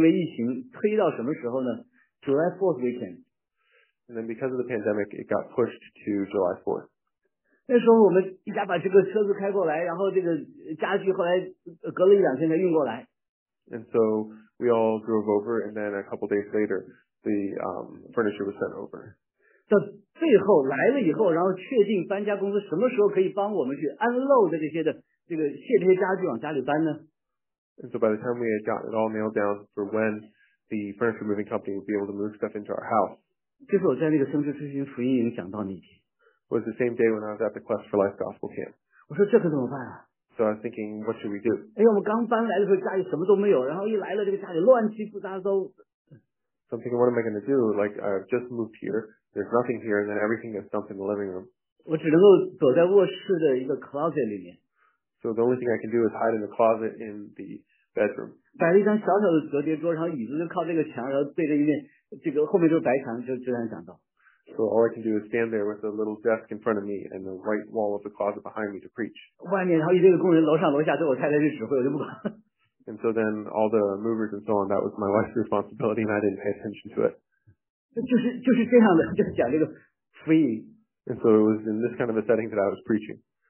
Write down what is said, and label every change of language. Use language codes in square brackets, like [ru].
[zh] 本来他们是五月底就去讲，讲完以后我就来北卡。后来因为疫情推到什么时候呢？ [en] July 4th weekend. And then because of the pandemic, it got pushed to July 4th. [zh] 那时候我们一家把这个车子开过来，然后这个家具后来隔了一两天才运过来。 [en] And so we all drove over, and then a couple days later, the furniture was sent over. [zh] 到最后来了以后，然后确定搬家公司什么时候可以帮我们去unload这些的这个卸这些家具往家里搬呢？ [en] And so by the time we had gotten it all nailed down for when the furniture moving company would be able to move stuff into our house, [zh] 就是我在那个生之之心福音营讲到那天。 [en] Was the same day when I was at the Quest for Life Gospel Camp. [zh] 我说这可怎么办啊？ [en] So I was thinking, what should we do? [zh] 哎，我们刚搬来的时候家里什么都没有，然后一来了这个家里乱七八糟。 [en] So I'm thinking, what am I going to do? Like, I've just moved here. There's nothing here, and then everything gets dumped in the living room. [zh] 我只能够躲在卧室的一个closet里面。 [en] So the only thing I can do is hide in the closet in the bedroom. [zh] 摆了一张小小的折叠桌，然后椅子就靠这个墙，然后对着一面，这个后面就是白墙，就这样讲到。 [en] So all I can do is stand there with a little desk in front of me and the white wall of the closet behind me to preach. [zh] 外面，然后一堆工人楼上楼下对我太太是指挥，我就不管。 [en] And so then all the movers and so on, that was my wife's responsibility and I didn't pay attention to it. [zh] 就是这样的，就是讲这个福音。 [en] And so it was in this kind of a setting that I was preaching.